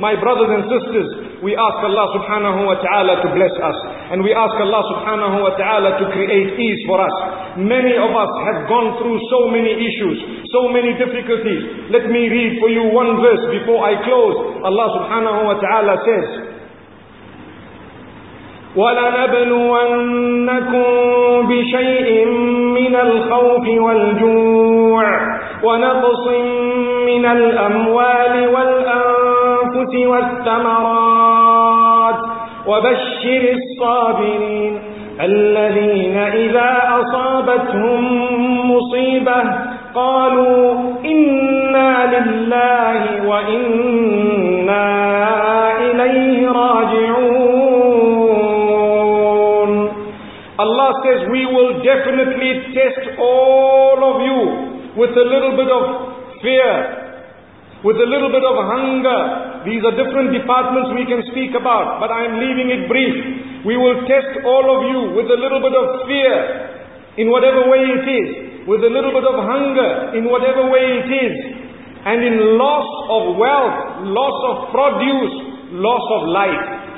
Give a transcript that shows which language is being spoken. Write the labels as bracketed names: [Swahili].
[English] My brothers and sisters, we ask Allah subhanahu wa ta'ala to bless us. And we ask Allah subhanahu wa ta'ala to create ease for us. Many of us have gone through so many issues, so many difficulties. Let me read for you one verse before I close. Allah subhanahu wa ta'ala says, [Arabic] وَلَنَبْلُوَنَّكُمْ بِشَيْءٍ مِّنَ الْخَوْفِ وَالْجُوعِ وَنَقْصٍ مِّنَ الْأَمْوَالِ وَالْأَنفُسِ وَالثَّمَرَاتِ وَبَشِّرِ الصَّابِرِينَ الذين إذا أصابتهم مصيبة قالوا إنا لله وإنا إليه راجعون. [English] Allah says, we will definitely test all of you with a little bit of fear, with a little bit of hunger. These are different departments we can speak about, but I am leaving it brief. We will test all of you with a little bit of fear, in whatever way it is, with a little bit of hunger, in whatever way it is, and in loss of wealth, loss of produce, loss of life.